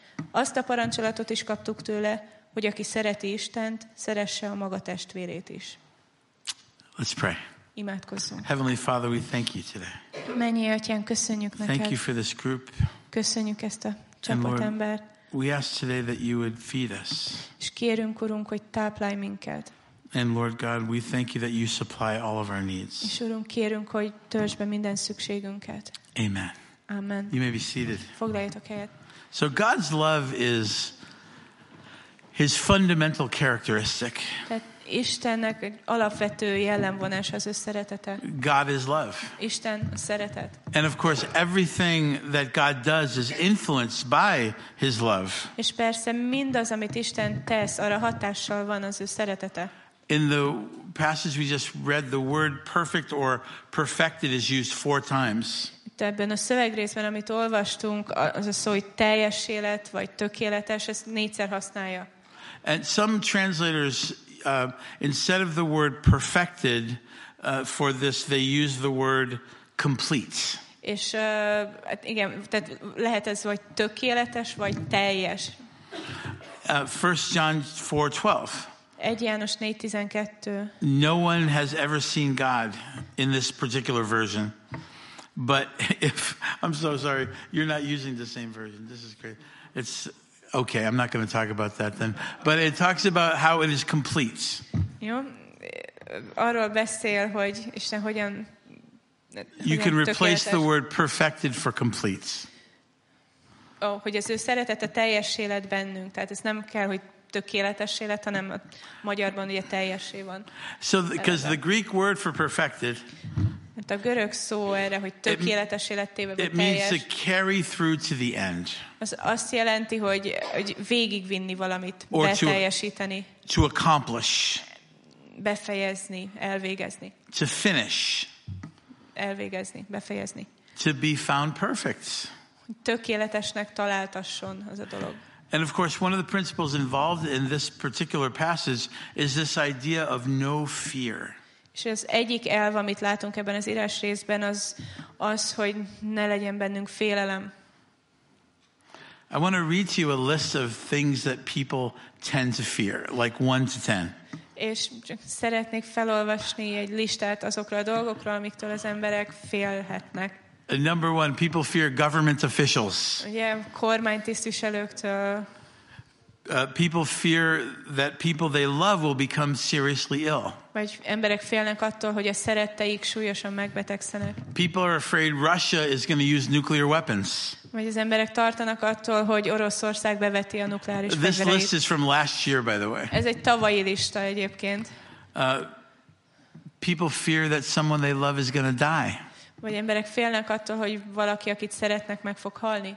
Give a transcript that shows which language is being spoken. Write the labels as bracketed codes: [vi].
[hu] Azt a parancsolatot is kaptuk tőle, hogy aki szereti Istent, szeresse a maga testvérét is. [en] Let's pray. [hu] Imádkozzunk. [en] Heavenly Father, we thank you today. [hu] Mennyi Atyán, köszönjük neked. [en] Thank you for this group. [hu] Köszönjük ezt a csapat embert. [en] We ask today that you would feed us. [hu] És kérünk, Urunk, hogy táplálj minket. [en] And Lord God, we thank you that you supply all of our needs. [hu] És Urunk, kérünk, hogy töltsd be minden szükségünket. [en] Amen. [hu] Amen. [en] You may be seated. [hu] Foglaljatok helyet. [en] So God's love is his fundamental characteristic. [hu] Istennek egy alapvető jellemvonás az ő szeretete. [en] God is love. [hu] Isten szeretet. [en] And of course everything that God does is influenced by his love. [hu] És persze mindaz, amit Isten tesz, arra hatással van az ő szeretete. [en] In the passage we just read, the word perfect or perfected is used 4 times. [hu] Ebben a szövegrészben, amit olvastunk, az a szó, hogy teljes élet vagy tökéletes, ezt 4-szer használja. [en] And some translators instead of the word perfected for this, they use the word complete. [hu] És igen, tehát lehet ez vagy tökéletes, vagy teljes. [en] 1 John 4:12. [hu] 1 János 4:12. [en] No one has ever seen God in this particular version. But if I'm so sorry, you're not using the same version. This is great. It's okay, I'm not going to talk about that then. But it talks about how it is complete. [hu] Jó, arról beszél, hogy Isten hogyan tökéletes. [en] You can replace the word perfected for complete. [hu] Oh, hogy az ő szeretete teljessé lett bennünk. Tehát ez nem kell, hogy tökéletessé lett, hanem a magyarban ugye teljessé van. [en] So, because the Greek word for perfected, [hu] hát a görög szó erre, hogy tökéletessé lettél, vagy teljes. [en] It means to carry through to the end. [hu] Az azt jelenti, hogy végigvinni valamit, beteljesíteni. [en] To accomplish. [hu] Befejezni, elvégezni. [en] To finish. [hu] Elvégezni, befejezni. [en] To be found perfect. [hu] Tökéletesnek találtasson az a dolog. [en] And of course, one of the principles involved in this particular passage is this idea of no fear. [hu] És az egyik elv, amit látunk ebben az írás részben, az, hogy ne legyen bennünk félelem. [en] I want to read to you a list of things that people tend to fear, like 1 to 10. [hu] És szeretnék felolvasni egy listát azokról a dolgokról, amiktől az emberek félhetnek. [en] Number one, people fear government officials. [hu] Yeah, kormánytisztviselőktől. [en] People fear that people they love will become seriously ill. [hu] Vagy emberek félnek attól, hogy a szeretteik súlyosan megbetegszenek. [en] People are afraid Russia is going to use nuclear weapons. [hu] Vagy az emberek tartanak attól, hogy Oroszország beveti a nukleáris fegyvereit. [en] This list is from last year, by the way. [hu] Ez egy tavalyi lista egyébként. [en] People fear that someone they love is going to die. [hu] Vagy emberek félnek attól, hogy valaki, akit szeretnek, meg fog halni.